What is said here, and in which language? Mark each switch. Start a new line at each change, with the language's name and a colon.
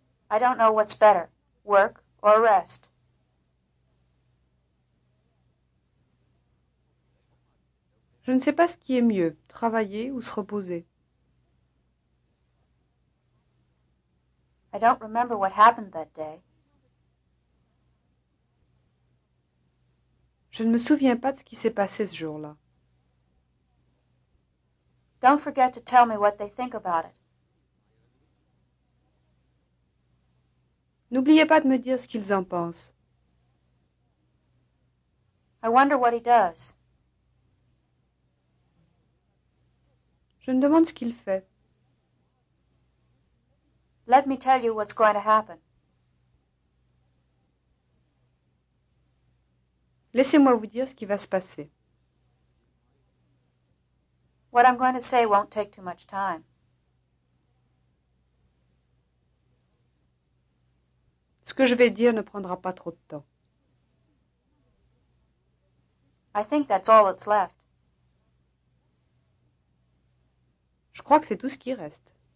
English: I don't know what's better, work or rest.
French: Je ne sais pas ce qui est mieux, travailler ou se reposer.
English: I don't remember what happened that day.
French: Je ne me souviens pas de ce qui s'est passé ce jour-là.
English: Don't forget to tell me what they think about it.
French: N'oubliez pas de me dire ce qu'ils en pensent.
English: I wonder what he does.
French: Je Je me demande ce qu'il fait.
English: Let me tell you what's going to happen.
French: Laissez-moi vous dire ce qui va se passer.
English: What I'm going to say won't take too much time.
French: Ce que je vais dire ne prendra pas trop de temps.
English: I think that's all that's left.
French: Je crois que c'est tout ce qui reste.